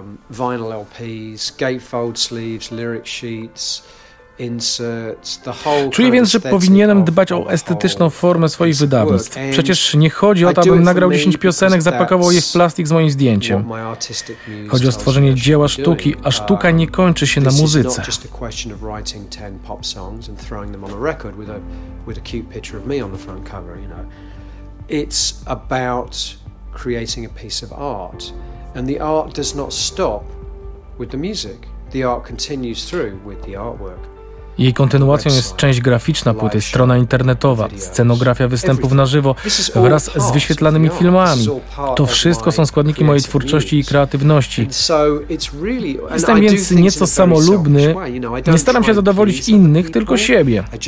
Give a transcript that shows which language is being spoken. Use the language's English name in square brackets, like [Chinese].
[English] Vinyl LPs, gatefold sleeves, lyric sheets, inserts, the whole. [Polish] Czuję więc, że powinienem dbać o estetyczną formę swoich wydawnictw. Przecież nie chodzi o to, abym nagrał 10 piosenek, zapakował je w plastik z moim zdjęciem. Chodzi o stworzenie dzieła sztuki, a sztuka nie kończy się na muzyce. [English] This is not just a question of writing 10 pop songs and throwing them on a record with a cute picture of me on the front cover, you know. It's about creating a piece of art. And the art does not stop with the music. The art continues through with the artwork. [Polish] Jej kontynuacją jest część graficzna płyty, strona internetowa, scenografia występów na żywo wraz z wyświetlanymi filmami. To wszystko są składniki mojej twórczości i kreatywności. Jestem więc nieco samolubny. Nie staram się zadowolić innych, tylko siebie.